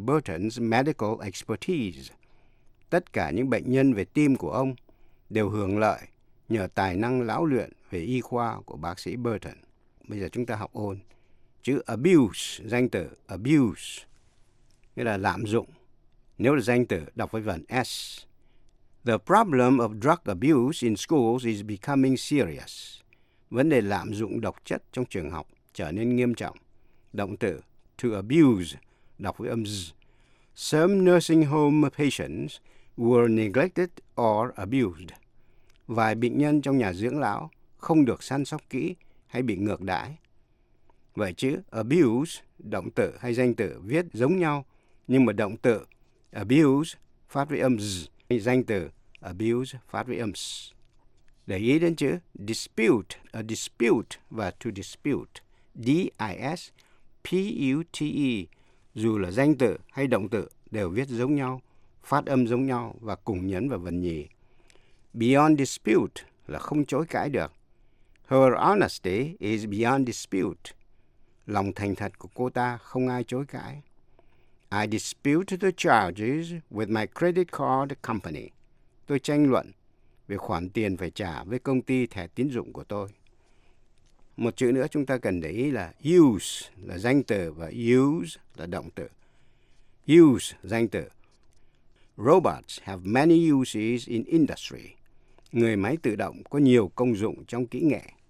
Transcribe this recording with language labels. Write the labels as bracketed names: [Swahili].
[English] Burton's medical expertise. [Vietnamese] Tất cả những bệnh nhân về tim của ông đều hưởng lợi nhờ tài năng lão luyện về y khoa của bác sĩ Burton. Bây giờ chúng ta học ôn. Chữ abuse, danh từ abuse, nghĩa là lạm dụng. Nếu là danh từ, đọc với vần S. [English] The problem of drug abuse in schools is becoming serious. [Vietnamese] Vấn đề lạm dụng độc chất trong trường học trở nên nghiêm trọng. Động từ to abuse, đọc với âm Z. [English] Some nursing home patients were neglected or abused. [Vietnamese] Vài bệnh nhân trong nhà dưỡng lão không được săn sóc kỹ hay bị ngược đãi. Vậy chữ abuse, động từ hay danh từ viết giống nhau, nhưng mà động từ abuse phát với âm z, danh từ abuse phát với âm s. Để ý đến chữ dispute, a dispute và to dispute, D-I-S-P-U-T-E, dù là danh từ hay động từ đều viết giống nhau, phát âm giống nhau và cùng nhấn vào vần nhì. [English] Beyond dispute [Vietnamese] là không chối cãi được. [English] Her honesty is beyond dispute. [Vietnamese] Lòng thành thật của cô ta không ai chối cãi. [English] I dispute the charges with my credit card company. [Vietnamese] Tôi tranh luận về khoản tiền phải trả với công ty thẻ tín dụng của tôi. Một chữ nữa chúng ta cần để ý là use là danh từ và use là động từ. Use, danh từ. [English] Robots have many uses in industry. [Vietnamese] Người máy tự động có nhiều công dụng trong kỹ nghệ.